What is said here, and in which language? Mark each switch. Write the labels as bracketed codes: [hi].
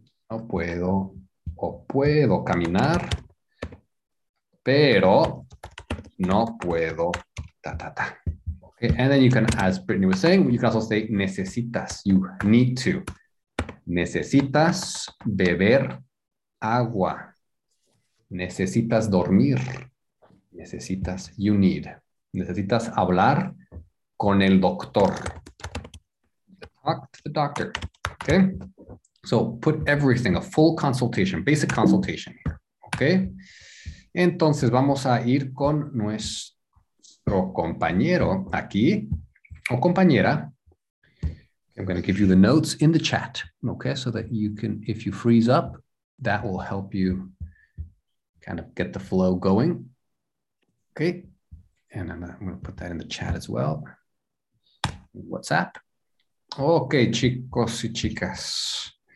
[es] No puedo o puedo caminar, pero no puedo ta ta ta. [en] Okay, and then you can, as Brittany was saying, you can also say [es] necesitas, [en] you need to. [es] Necesitas beber agua. Necesitas dormir. Necesitas, [en] you need. [es] Necesitas hablar con el doctor. [en] Talk to the doctor. [es] Okay? [en] So put everything, a full consultation, basic consultation here. Okay? [es] Entonces vamos a ir con nuestro compañero aquí, o compañera. [en] I'm going to give you the notes in the chat. Okay? So that you can, if you freeze up, that will help you kind of get the flow going. Okay, and I'm going to put that in the chat as well. [es] WhatsApp. Okay, chicos y chicas.